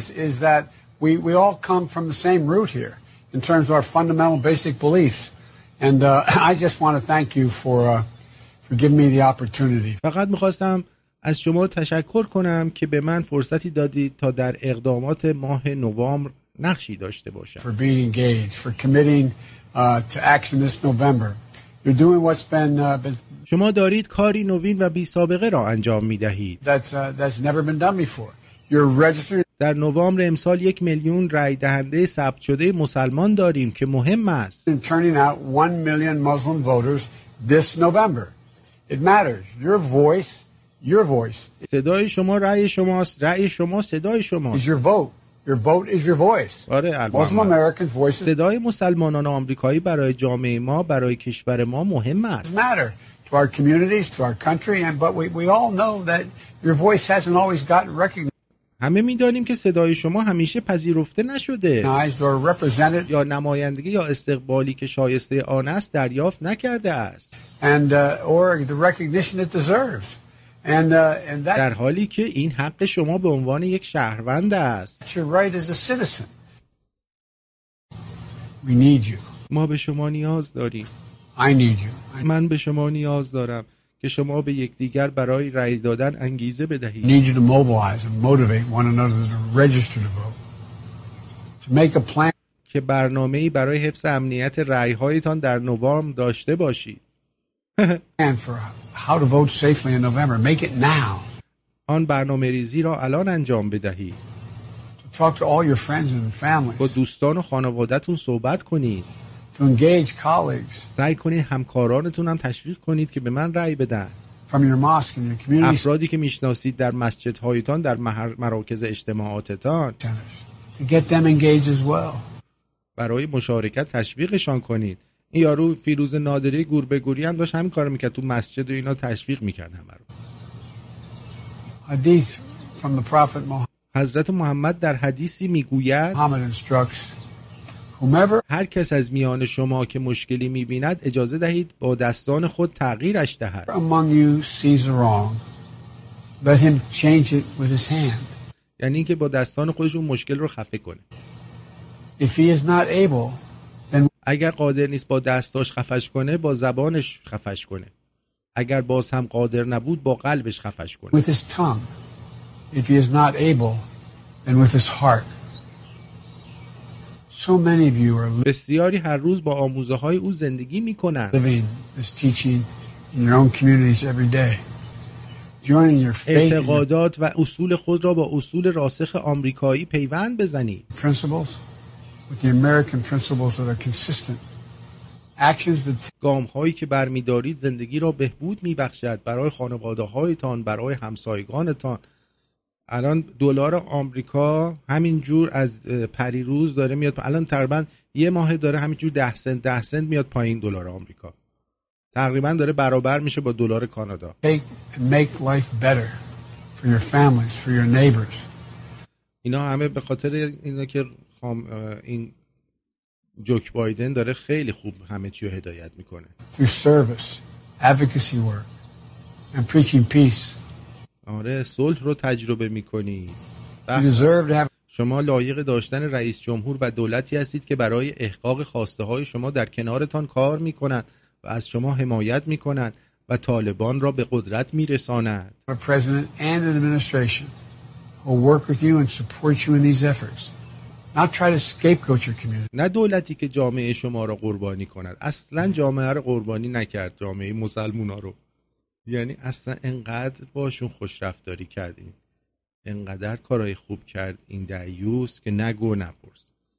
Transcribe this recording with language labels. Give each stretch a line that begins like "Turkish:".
English: Is that we all come from the same root here in terms of our fundamental basic beliefs. And I just want to thank you for giving me the opportunity.
Persian: فقط می‌خواستم از شما تشکر کنم که به من فرصتی دادید تا در اقدامات ماه نوامبر نقشی داشته باشم.
English: For being engaged, for committing to action this November. You're doing what's been
Persian: شما دارید کاری نوین و بی سابقه را انجام می‌دهید.
English: That's never been done before. You're registered.
Persian: در نوامبر امسال 1,000,000 رای دهنده ثبت شده مسلمان داریم که مهم است.
English: You're turning out 1,000,000 Muslim voters this November. It matters. Your voice.
Persian: صدای شما رای شماست. رای شما صدای شماست.
English: Is your vote. Your vote is your voice.
Persian: آره،
English: Muslim American voices.
Persian: صدای مسلمانان آمریکایی برای جامعه ما، برای کشور ما مهم است.
English: It matters to our communities, to our country, and but we all know that your voice hasn't always gotten recognized.
Persian: همه می‌دانیم که صدای شما همیشه پذیرفته نشده.
English: Recognized or represented.
Persian: یا نمایندگی یا استقبالی که شایسته آن است دریافت نکرده است.
English: And or the recognition it deserves. And that
Persian: در حالی که این حق شما به عنوان یک شهروند است.
English: Right as a citizen. We need you.
Persian: ما به شما نیاز داریم.
English: I need you.
Persian: من به شما نیاز دارم که شما به یکدیگر برای رأی دادن انگیزه بدهید.
English: Need you to mobilize and motivate one another to register to vote. To make a plan
Persian: که برنامه‌ای برای حفظ امنیت رأی هایتان در نوامبر داشته باشید.
English: And for how to vote safely in November. Make it now.
Persian: آن برنامه‌ریزی را الان انجام بدهید.
English: Talk to all your friends and families.
Persian: با دوستان و خانواده‌تون صحبت کنید.
English: To engage colleagues.
Persian: سعی کنید همکارانتون هم تشویق کنید که به من رأی بدن.
English: From your mosque and your community.
Persian: افرادی که می‌شناسید در مسجدهایتان، در مراکز اجتماعاتتان.
English: To get them engaged as well.
Persian: برای مشارکت تشویقشان کنید. این یارو فیروز نادری گوربه‌گوری هم داشت همین کارو میکرد تو مسجد و اینا تشویق میکرد همه رو.
English: حدیث from the prophet Muhammad.
Persian: حضرت محمد در حدیثی میگوید
English: Muhammad instructs whomever
Persian: هر کس از میان شما که مشکلی میبیند اجازه دهید با دستان خود تغییرش دهد.
English: Among you sees wrong, let him change it with his hand.
Persian: یعنی این که با دستان خودش اون مشکل رو خفه کنه.
English: If he is not able, then
Persian: اگر قادر نیست با دستاش خفش کنه با زبانش خفش کنه. اگر باز هم قادر نبود با قلبش خفش کنه.
English: With his tongue. If he is not able, then with his heart. So many of you are
Persian: بسیاری هر روز با آموزه‌های او زندگی می‌کنند.
English: Living this teaching in your own communities every day. Joining your faith
Persian: اعتقادات و اصول خود را با اصول راسخ آمریکایی پیوند بزنید.
English: Principles with the American principles that are consistent. Actions that
Persian: گام‌هایی که برمی‌دارید زندگی را بهبود می‌بخشد برای خانواده‌هایتان، برای همسایگانتان. الان دلار آمریکا همین جور از پریروز داره میاد الان تقریبا یه ماه داره همین جور 10 سنت 10 سنت میاد پایین دلار آمریکا تقریبا داره برابر میشه با دلار کانادا.
English: Make life better for your families, for your neighbors.
Persian: اینا همه به خاطر اینه که این جوک بایدن داره خیلی خوب همه چی رو هدایت میکنه.
English: Through service, advocacy work and preaching peace.
Persian: آره صلح رو تجربه میکنید.
English: Have...
Persian: شما لایق داشتن رئیس جمهور و دولتی هستید که برای احقاق خواسته های شما در کنارتان کار میکنند و از شما حمایت میکنند و طالبان را به قدرت میرساند.
English: A president and an administration who work with you and support you in these efforts. Not try to scapegoat your community.
Persian: نه دولتی که جامعه شما را قربانی کند. اصلا جامعه را قربانی نکرد جامعه مسلمان را. یعنی اصلا انقدر باشون خوش رفتاری کردین انقدر کارهای خوب کرد این دعیوس که نگو نپرس.